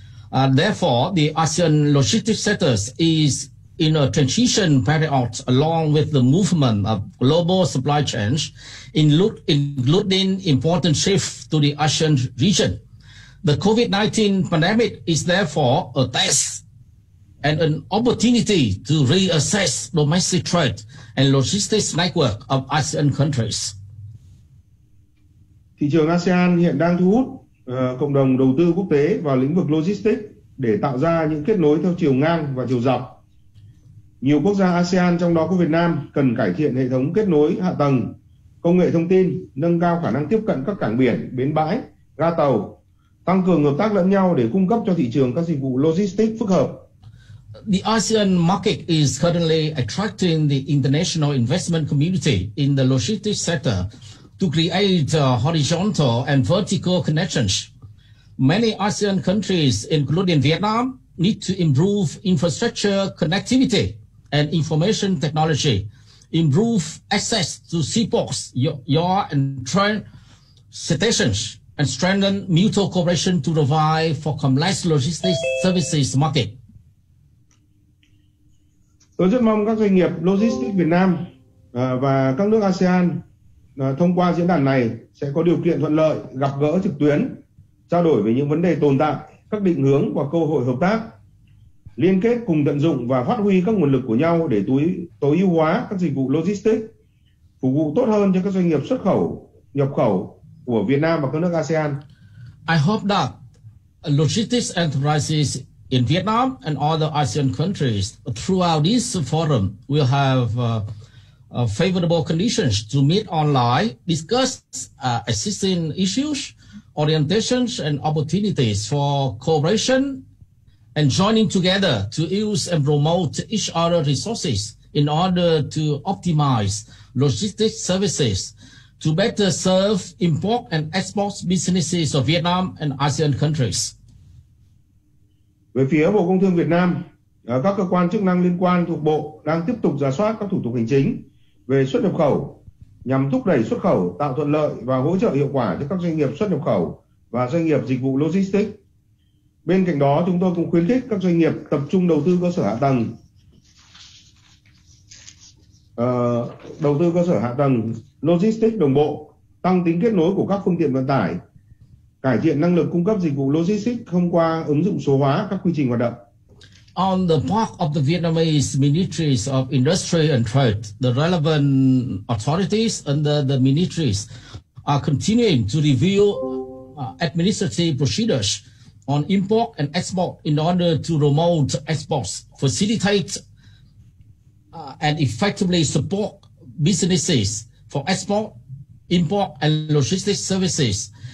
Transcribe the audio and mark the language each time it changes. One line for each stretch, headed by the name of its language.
English: Therefore, the ASEAN logistics sector is in a transition period along with the movement of global supply chains, including important shift to the ASEAN region. The COVID-19 pandemic is therefore a test and an opportunity to reassess domestic trade and logistics network of ASEAN countries.
Vietnamese: Thị trường ASEAN hiện đang thu hút cộng đồng đầu tư quốc tế vào lĩnh vực logistics để tạo ra những kết nối theo chiều ngang và chiều dọc. Nhiều quốc gia ASEAN trong đó có Việt Nam cần cải thiện hệ thống kết nối hạ tầng, công nghệ thông tin, nâng cao khả năng tiếp cận các cảng biển, bến bãi, ga tàu, tăng cường hợp tác lẫn nhau để cung cấp cho thị trường các dịch vụ logistics phức hợp.
English: The ASEAN market is currently attracting the international investment community in the logistics sector to create horizontal and vertical connections. Many ASEAN countries, including Vietnam, need to improve infrastructure connectivity and information technology, improve access to seaports, yards, and train stations, and strengthen mutual cooperation to provide for complex logistics services market.
Vietnamese: Tôi rất mong các doanh nghiệp logistics Việt Nam và các nước ASEAN thông qua diễn đàn này sẽ có điều kiện thuận lợi gặp gỡ trực tuyến, trao đổi về những vấn đề tồn tại, các định hướng và cơ hội hợp tác, liên kết cùng tận dụng và phát huy các nguồn lực của nhau để tối ưu hóa các dịch vụ logistics, phục vụ tốt hơn cho các doanh nghiệp xuất khẩu, nhập khẩu của Việt Nam và các nước ASEAN.
English: I hope that logistics enterprises in Vietnam and other ASEAN countries throughout this forum will have favorable conditions to meet online, discuss existing issues, orientations and opportunities for cooperation and joining together to use and promote each other's resources in order to optimize logistics services to better serve import and export businesses of Vietnam and ASEAN countries.
Vietnamese: Về phía Bộ Công Thương Việt Nam, các cơ quan chức năng liên quan thuộc Bộ đang tiếp tục rà soát các thủ tục hành chính về xuất nhập khẩu nhằm thúc đẩy xuất khẩu, tạo thuận lợi và hỗ trợ hiệu quả cho các doanh nghiệp xuất nhập khẩu và doanh nghiệp dịch vụ logistics. Bên cạnh đó, chúng tôi cũng khuyến khích các doanh nghiệp tập trung đầu tư cơ sở hạ tầng, đầu tư cơ sở hạ tầng logistics đồng bộ, tăng tính kết nối của các phương tiện vận tải, cải thiện năng lực cung cấp dịch vụ logistics thông qua ứng dụng số hóa các quy trình hoạt động.
English: On the part of the Vietnamese Ministries of Industry and Trade, the relevant authorities under the ministries are continuing to review administrative procedures on import and export in order to promote exports, facilitate and effectively support businesses for export, import and logistics services.